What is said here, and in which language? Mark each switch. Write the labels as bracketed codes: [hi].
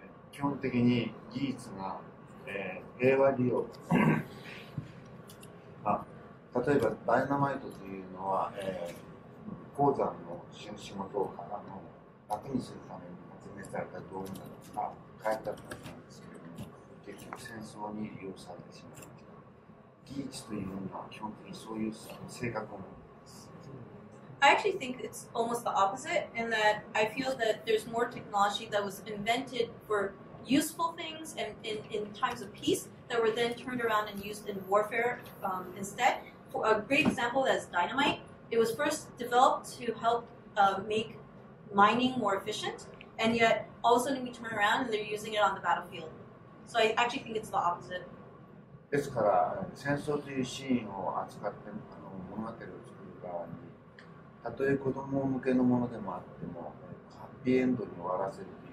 [ja] 基本的に技術が平和利用あ、例えばダイナマイトというのは、鉱山の仕事を楽にするために発明された道具なのか開発だったんですけれども、結局戦争に利用されてしまった。技術というのは基本的にそういう性格を持っています。 [en] I actually think it's almost the opposite, in that I feel that there's more technology that was invented forUseful things and in times of peace that were then turned around and used in warfare instead. For a great example, that's dynamite. It was first developed to help make mining more efficient, and yet all of a sudden we turn around and they're using it on the battlefield. So I actually think it's the opposite. [ja] ですから、戦争というシーンを扱って物語を作る側に、たとえ子供向けのものでもあっても、ハッピーエンドに終わらせる。